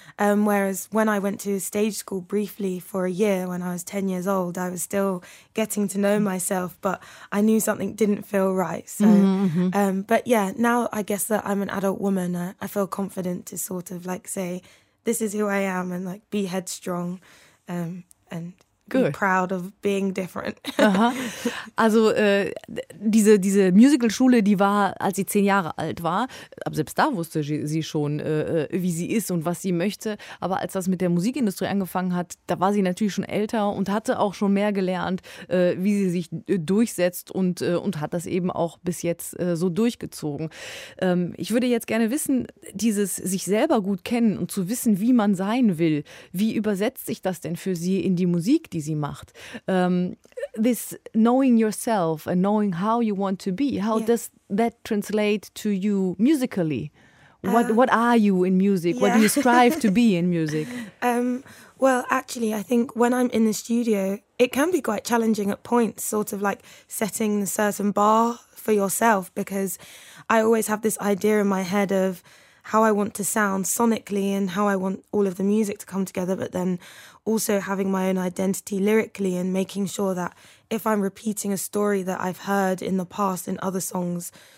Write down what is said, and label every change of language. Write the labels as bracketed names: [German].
[English] Whereas when I went to stage school briefly for a year when I was 10 years old, I was still getting to know myself, but I knew something didn't feel right. So, mm-hmm. But yeah, now I guess that I'm an adult woman, I feel confident to sort of like say, this is who I am, and like be headstrong, and Good. Be proud of being different. Aha. [German] Also diese Musicalschule, die war, als sie 10 Jahre alt war, ab selbst da wusste sie schon, wie sie ist und was sie möchte. Aber als das mit der Musikindustrie angefangen hat, da war sie natürlich schon älter und hatte auch schon mehr gelernt, wie sie sich durchsetzt und hat das eben auch bis jetzt so durchgezogen. Ich würde jetzt gerne wissen, dieses sich selber gut kennen und zu wissen, wie man sein will, wie übersetzt sich das denn für sie in die Musik, die sie macht? [English] This knowing yourself and knowing how you want to be, how does that translate to you musically? What are you in music? Yeah. What do you strive to be in music? Well, actually, I think when I'm in the studio, it can be quite challenging at points, sort of like setting a certain bar for yourself, because I always have this idea in my head of how I want to sound sonically and how I want all of the music to come together, but then also having my own identity lyrically and making sure that if I'm repeating a story that I've heard in the past in other songs,